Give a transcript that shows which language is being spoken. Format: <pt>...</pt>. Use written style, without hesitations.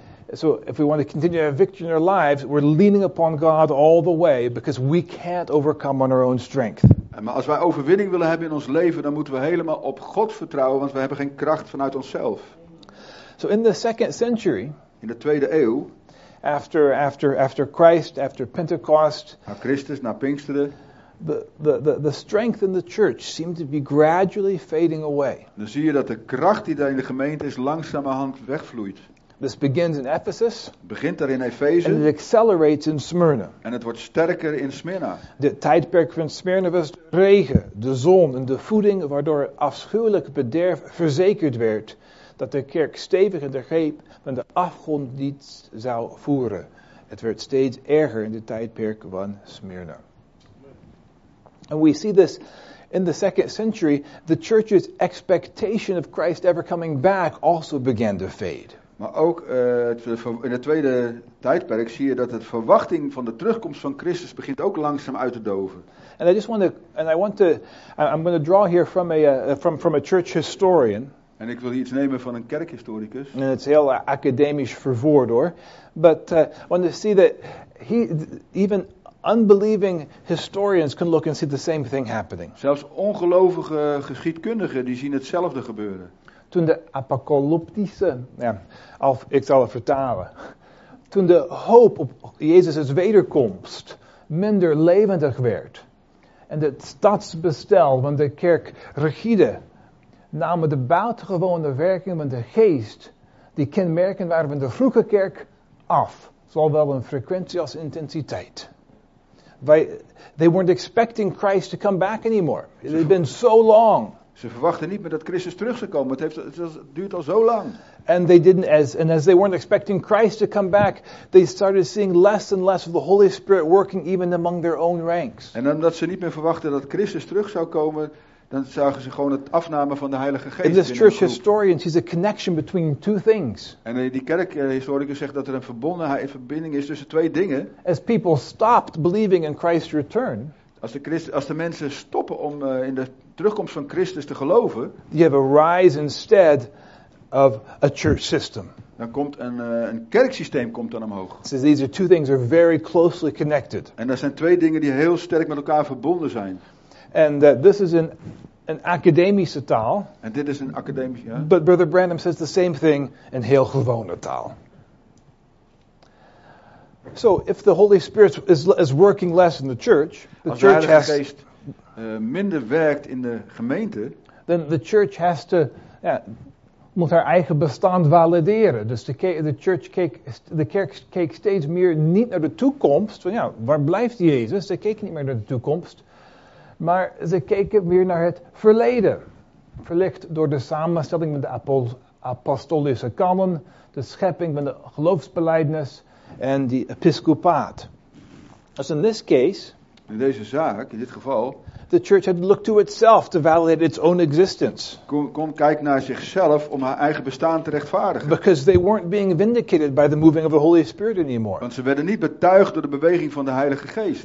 <en>So if we want to continue our victory in our lives, we're leaning upon God all the way because we can't overcome on our own strength.</en> <nl>Maar als wij overwinning willen hebben in ons leven, dan moeten we helemaal op God vertrouwen, want we hebben geen kracht vanuit onszelf.</nl> <en>So in the second century,</en> <nl>in de tweede eeuw,</nl> <en>after Christ, after Pentecost,</en> <nl>na Christus, na Pinksteren,</nl> <en>the strength in the church seemed to be gradually fading away.</en> <nl>Dan zie je dat de kracht die daar in de gemeente is langzamerhand wegvloeit.</nl> <en>This begins in Ephesus.</en> <nl>Begint daar in Efeze.</nl> <en>And it accelerates in Smyrna.</en> <nl>En het wordt sterker in Smyrna. De tijdperk van Smyrna was de regen, de zon en de voeding, waardoor het afschuwelijk bederf verzekerd werd dat de kerk stevig in de greep van de afgrond niet zou voeren. Het werd steeds erger in de tijdperk van Smyrna.</nl> <en>And we see this in the second century, the church's expectation of Christ ever coming back also began to fade.</en> <nl>Maar ook in het tweede tijdperk zie je dat het verwachting van de terugkomst van Christus begint ook langzaam uit te doven.</nl> <en>And I just want to, I'm going to draw here from a church historian.</en> <nl>En ik wil iets nemen van een kerkhistoricus. En het is heel academisch verwoord hoor.</nl> <en>But I want to see that even unbelieving historians can look and see the same thing happening.</en> <nl>Zelfs ongelovige geschiedkundigen die zien hetzelfde gebeuren. Toen de apocalyptische, ik zal het vertalen. Toen de hoop op Jezus' wederkomst minder levendig werd. En het stadsbestel van de kerk rigide. Namen de buitengewone werking van de geest, die kenmerken waren van de vroege kerk, af. Zowel in frequentie als intensiteit.</nl> <en>They weren't expecting Christ to come back anymore. It had been so long.</en> <nl>Ze verwachten niet meer dat Christus terug zou komen. Het duurt al zo lang.</nl> <en>And they didn't as they weren't expecting Christ to come back, they started seeing less and less of the Holy Spirit working even among their own ranks.</en> <nl>En omdat ze niet meer verwachten dat Christus terug zou komen, dan zagen ze gewoon het afname van de Heilige Geest.</nl> <en>And this church historian sees a connection between two things.</en> <nl>En die kerkhistoricus zegt dat er een verbinding is tussen twee dingen.</nl> <en>As people stopped believing in Christ's return.</en> <nl>Als de mensen stoppen om in de terugkomst van Christus te geloven,</nl> <en>you have a rise instead of a church system.</en> <nl>Dan komt een kerksysteem komt dan omhoog.</nl> <en>So these are two things are very closely connected.</en> <nl>En dat zijn twee dingen die heel sterk met elkaar verbonden zijn.</nl> <en>And that this is an</en> <nl>academische taal. En dit is een academische. Ja.</nl> <en>But Brother Branham says the same thing in</en> <nl>heel gewone taal.</nl> <en>So if the Holy Spirit is working less in the church, the church</en> <nl>has minder werkt in de gemeente,</nl> <en>then the church has to</en> <nl>moet haar eigen bestaan valideren. Dus de kerk keek steeds meer niet naar de toekomst. Van waar blijft Jezus? Ze keken niet meer naar de toekomst, maar ze keken meer naar het verleden, verlicht door de samenstelling van de apostolische kanon, de schepping van de geloofsbelijdenis. En die episcopaat. Dus</nl> <en>in this case,</en> <nl>in deze zaak, in dit geval,</nl> <en>the church had to look to itself to validate its own existence.</en> <nl>Kon kijken naar zichzelf om haar eigen bestaan te rechtvaardigen.</nl> <en>Because they weren't being vindicated by the moving of the Holy Spirit anymore.</en> <nl>Want ze werden niet betuigd door de beweging van de Heilige Geest.</nl>